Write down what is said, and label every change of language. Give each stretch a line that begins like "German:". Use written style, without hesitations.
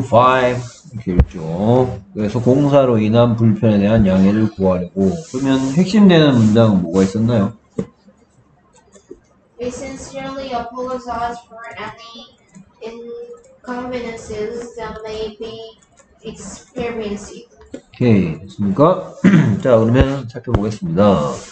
Korean: 02287-4725 이렇게 했죠. 그래서 공사로 인한 불편에 대한 양해를 구하려고. 그러면 핵심되는 문장은 뭐가 있었나요?
English: We sincerely apologize for any inconveniences that may be experiencing.
Korean: 오케이, 됐습니까? 자, 그러면 살펴보겠습니다.